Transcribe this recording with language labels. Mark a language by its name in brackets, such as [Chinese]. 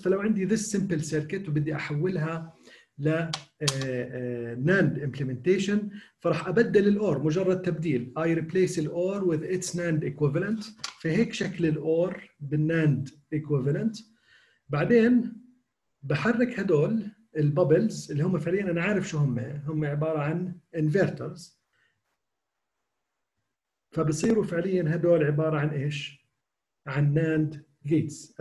[Arabic] فلو عندي this simple circuit وبدي أحولها لا NAND implementation، فرح أبدل الأور، مجرد تبديل. [English] I replace the OR with its NAND equivalent. [Arabic] فهيك شكل الأور بالNAND equivalent. بعدين بحرك هدول البابلز اللي هم فعليا أنا عارف شو هم، هم عبارة عن inverters، فبصيروا فعليا هدول عبارة عن إيش؟ عن NAND gates.